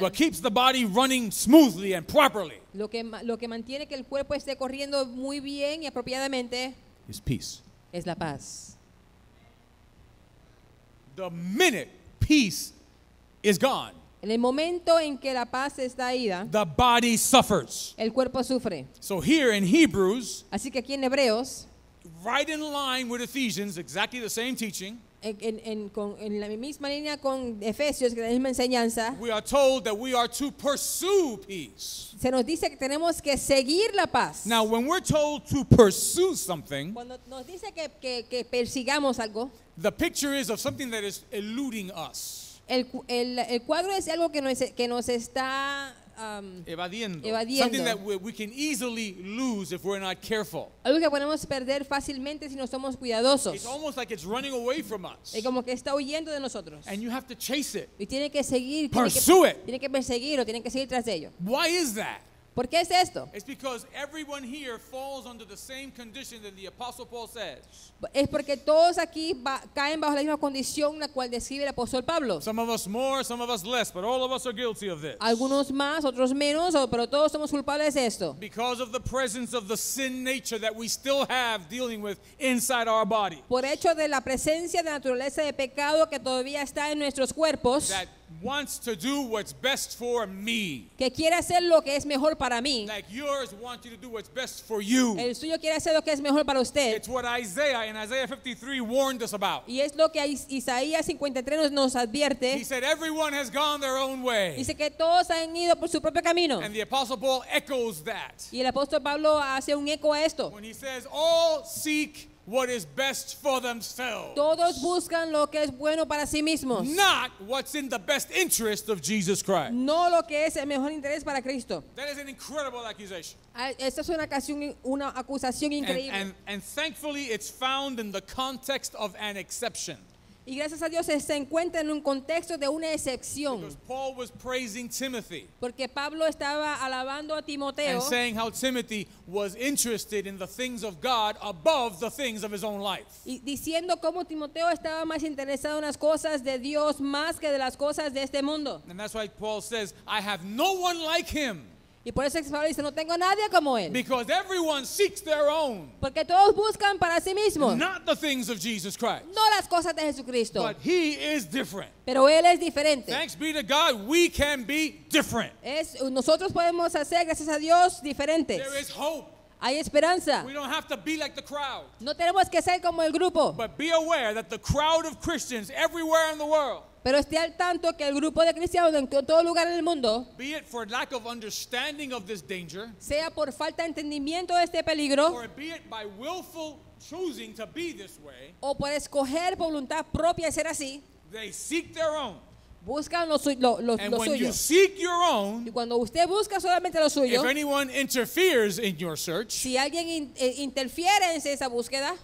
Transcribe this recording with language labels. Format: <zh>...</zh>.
<en>What keeps the body running smoothly and properly.</en> <es>Lo que mantiene que el cuerpo esté corriendo muy bien y apropiadamente.</es> <en>Is peace.</en> <es>Es la paz.</es> <en>the minute peace is gone,</en> <es>en el momento en que la paz está ida,</es> <en>the body suffers.</en> <es>El cuerpo sufre.</es> <en>So here in Hebrews,</en> <es>así que aquí en Hebreos,</es> <en>right in line with Ephesians, exactly the same teaching,</en> <es>en la misma línea con Efesios, que la misma enseñanza,</es> <en>we are told that we are to pursue peace.</en> <es>Se nos dice que tenemos que seguir la paz.</es> <en>Now, when we're told to pursue something,</en> <es>cuando nos dice que persigamos algo,</es> <en>the picture is of something that is eluding us.</en> <es>El cuadro es algo que nos está evadiendo.</es> <en>Something that we can easily lose if we're not careful.</en> <es>Algo que podemos perder fácilmente si no somos cuidadosos.</es> <en>It's almost like it's running away from us.</en> <es>Es como que está huyendo de nosotros.</es> <en>And you have to chase it.</en> <es>Y tiene que seguir.</es> <en>Pursue it.</en> <es>Tiene que perseguirlo. Tiene que seguir tras de ello.</es> <en>Why is that?</en> <es>¿Por qué es esto?</es> <en>It's because everyone here falls under the same condition that the Apostle Paul says.</en> <es>Es porque todos aquí caen bajo la misma condición la cual describe el apóstol Pablo.</es> <en>Some of us more, some of us less, but all of us are guilty of this.</en> <es>Algunos más, otros menos, pero todos somos culpables de esto.</es> <en>Because of the presence of the sin nature that we still have dealing with inside our body.</en> <es>Por hecho de la presencia de naturaleza de pecado que todavía está en nuestros cuerpos.</es> <en>That wants to do what's best for me.</en> <es>Que quiere hacer lo que es mejor para mí.</es> <en>Like yours wants you to do what's best for you.</en> <es>El suyo quiere hacer lo que es mejor para usted.</es> <en>It's what Isaiah in Isaiah 53 warned us about.</en> <es>Y es lo que Isaías 53 nos advierte.</es> <en>He said everyone has gone their own way.</en> <es>Dice que todos han ido por su propio camino.</es> <en>And the Apostle Paul echoes that.</en> <es>Y el apóstol Pablo hace un eco a esto.</es> <en>When he says all seek what is best for themselves.</en> <es>Todos buscan lo que es bueno para sí mismos.</es> <en>Not what's in the best interest of Jesus Christ.</en> <es>No lo que es el mejor interés para Cristo.</es> <en>That is an incredible accusation.</en> <es>Esta es una acusación increíble.</es> <en>And thankfully it's found in the context of an exception.</en> <es>Y gracias a Dios se encuentra en un contexto de una excepción.</es> <en>Because Paul was praising Timothy.</en> <es>Porque Pablo estaba alabando a Timoteo.</es> <en>And saying how Timothy was interested in the things of God above the things of his own life.</en> <es>Y diciendo cómo Timoteo estaba más interesado en las cosas de Dios más que de las cosas de este mundo.</es> <en>And that's why Paul says, I have no one like him.</en> <es>Y por eso es que Pablo dice, no tengo nadie como él.</es> <en>Because everyone seeks their own.</en> <es>Porque todos buscan para sí mismos.</es> <en>Not the things of Jesus Christ.</en> <es>No las cosas de Jesucristo.</es> <en>But he is different.</en> <es>Pero él es diferente.</es> <en>Thanks be to God, we can be different.</en> <es>Nosotros podemos hacer, gracias a Dios, diferentes.</es> <en>There is hope.</en> <es>Hay esperanza.</es> <en>We don't have to be like the crowd.</en> <es>No tenemos que ser como el grupo.</es> <en>But be aware that the crowd of Christians everywhere in the world,</en> <es>pero esté al tanto que el grupo de cristianos en todo lugar en el mundo,</es> <en>be it for lack of understanding of this danger,</en> <es>sea por falta de entendimiento de este peligro,</es> <en>or be it by willful choosing to be this way,</en> <es>o por escoger voluntad propia ser así,</es> <en>they seek their own.</en> <es>Buscan lo suyo.</es> <en>And when you seek your own,</en> <es>y cuando usted busca solamente lo suyo,</es> <en>if anyone interferes in your search,</en> <es>si alguien interfiere en esa búsqueda,</es>